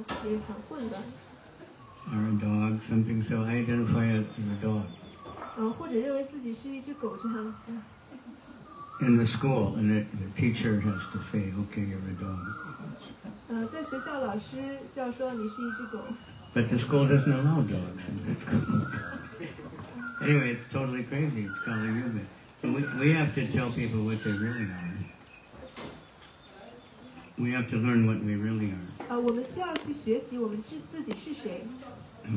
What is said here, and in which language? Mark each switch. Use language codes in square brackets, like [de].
[zh] 但是我们总是认同于这个身体，不知道在中国，但是在美国现在有很多人，甚至不知道自己是男性啊还是女性啊，就是性别上也很混乱。 [en] Or a dog, something, so I identify as a dog. [zh] 或者认为自己是一只狗这样。 [en] In the school, and the teacher has to say, okay, you're a dog. [zh] 在学校老师需要说你是一只狗。 [en] But the school doesn't allow dogs in this school. Anyway, it's totally crazy. It's Kali Yuga. We have to tell people what they really are. We have to learn what we really are. And